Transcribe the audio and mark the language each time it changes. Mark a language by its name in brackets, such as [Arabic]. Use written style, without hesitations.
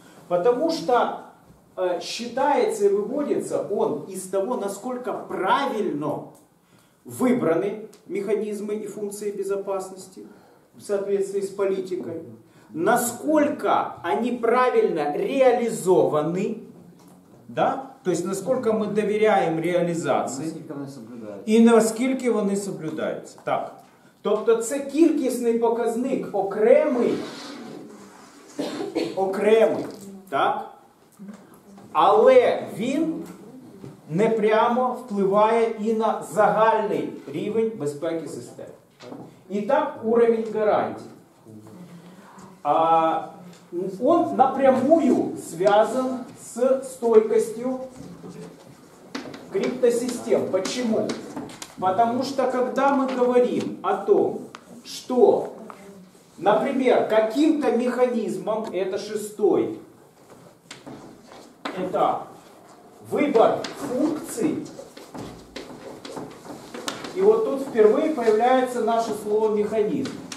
[Russian] Потому что считается и выводится он из того, насколько правильно выбраны механизмы и функции безопасности в соответствии с политикой, насколько они правильно реализованы, да? То есть насколько мы доверяем реализации и [Ukrainian] наскільки вони соблюдаються. Так. Тобто це кількісний показник окремий, окремий, так? Але він не прямо впливає і на загальний рівень безпеки системи. І так уровень гарантій. [Russian] А он напрямую связан с стойкостью криптосистем. Почему? Потому что когда мы говорим о том, что, например, каким-то механизмом, это шестой этап, выбор функций, и вот тут впервые появляется наше слово механизм.